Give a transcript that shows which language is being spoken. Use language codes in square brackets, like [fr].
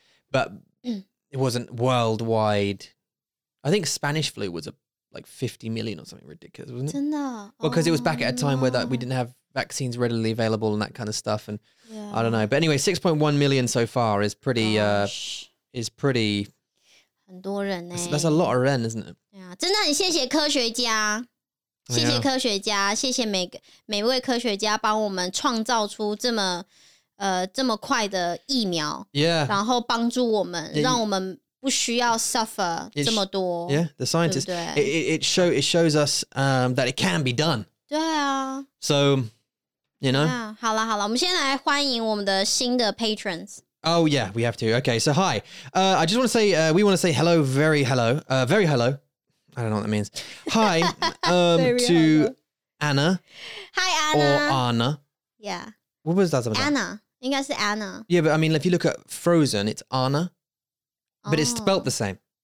[en] But it wasn't worldwide. I think Spanish flu was like 50 million or something ridiculous, wasn't it? Because it was back at a time where we didn't have vaccines readily available and that kind of stuff. And yeah. I don't know. But anyway, 6.1 million so far is pretty... Is pretty... [zh] 很多人欸。 [en] That's a lot of ren, isn't it? [zh] Yeah, 真的很谢谢科学家。谢谢科学家。谢谢每位科学家帮我们创造出这么快的疫苗。 [en] Yeah. [zh] 然后帮助我们让我们不需要 suffer 这么多。 [en] Yeah, the scientists. It shows us that it can be done. [zh] 对啊。 [en] So, you know. [zh] Yeah, 好啦好啦。我们先来欢迎我们的新的 patrons。 [en] Oh yeah, we have to. Okay, so hi. I just want to say, we want to say hello, very hello. Very hello. I don't know what that means. Hi to hello. Anna. Hi Anna. Or Anna. Yeah. What was that? [zh] Anna. 应该是 Anna. [en] Yeah, but I mean, if you look at Frozen, it's Anna. But it's spelled the same.